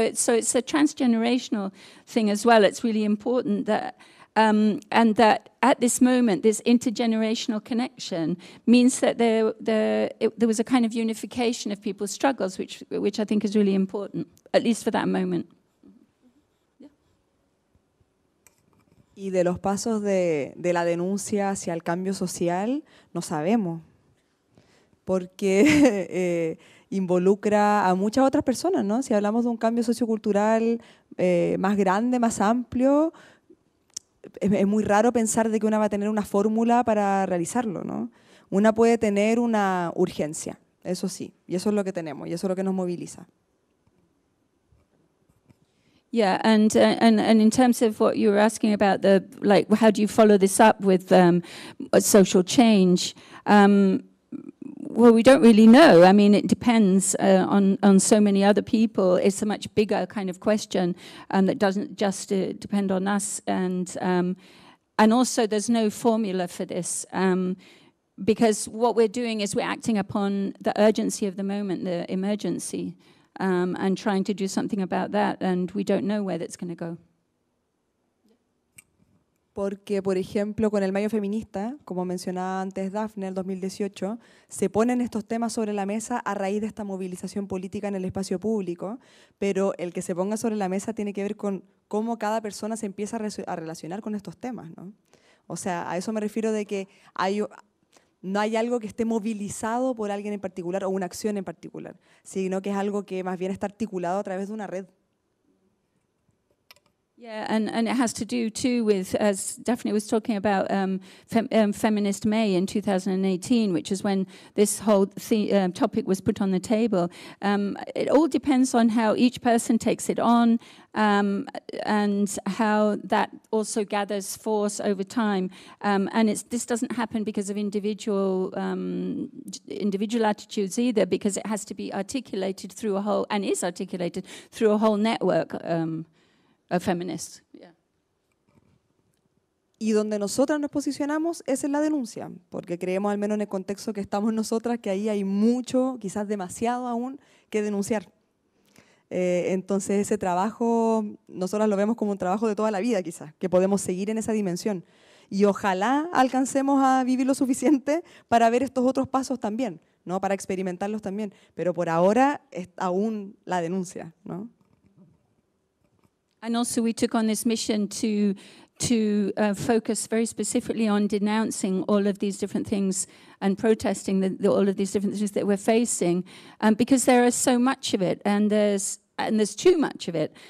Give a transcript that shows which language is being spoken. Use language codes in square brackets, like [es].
[en] So it's a transgenerational thing as well. It's really important that and that at this moment, this intergenerational connection means that there was a kind of unification of people's struggles, which I think is really important, at least for that moment. Yeah. [es] Y de los pasos de la denuncia hacia el cambio social, no sabemos, porque involucra a muchas otras personas, ¿no? Si hablamos de un cambio sociocultural más grande, más amplio, es muy raro pensar de que una va a tener una fórmula para realizarlo, ¿no? Una puede tener una urgencia, eso sí, y eso es lo que tenemos, y eso es lo que nos moviliza. [en] Yeah, and in terms of what you were asking about the like, how do you follow this up with social change? Well, we don't really know. I mean, it depends on so many other people. It's a much bigger kind of question that doesn't just depend on us. And also, there's no formula for this. Because what we're doing is we're acting upon the urgency of the moment, the emergency, and trying to do something about that. And we don't know where that's going to go. [es] Porque, por ejemplo, con el mayo feminista, como mencionaba antes Daffne, el 2018, se ponen estos temas sobre la mesa a raíz de esta movilización política en el espacio público, pero el que se ponga sobre la mesa tiene que ver con cómo cada persona se empieza a relacionar con estos temas, ¿no? O sea, a eso me refiero de que no hay algo que esté movilizado por alguien en particular o una acción en particular, sino que es algo que más bien está articulado a través de una red. [en] Yeah, and it has to do too with, as Daphne was talking about, Feminist May in 2018, which is when this whole topic was put on the table. It all depends on how each person takes it on and how that also gathers force over time. And this doesn't happen because of individual attitudes either, because it has to be articulated through a whole, and is articulated through a whole network. A feminist. Yeah. [es] Y donde nosotras nos posicionamos es en la denuncia, porque creemos, al menos en el contexto que estamos nosotras, que ahí hay mucho, quizás demasiado aún, que denunciar. Entonces ese trabajo, nosotras lo vemos como un trabajo de toda la vida, quizás, que podemos seguir en esa dimensión. Y ojalá alcancemos a vivir lo suficiente para ver estos otros pasos también, ¿no? Para experimentarlos también. Pero por ahora es aún la denuncia, ¿no? [en] And also we took on this mission to focus very specifically on denouncing all of these different things and protesting all of these different things that we're facing, because there is so much of it, and there's too much of it.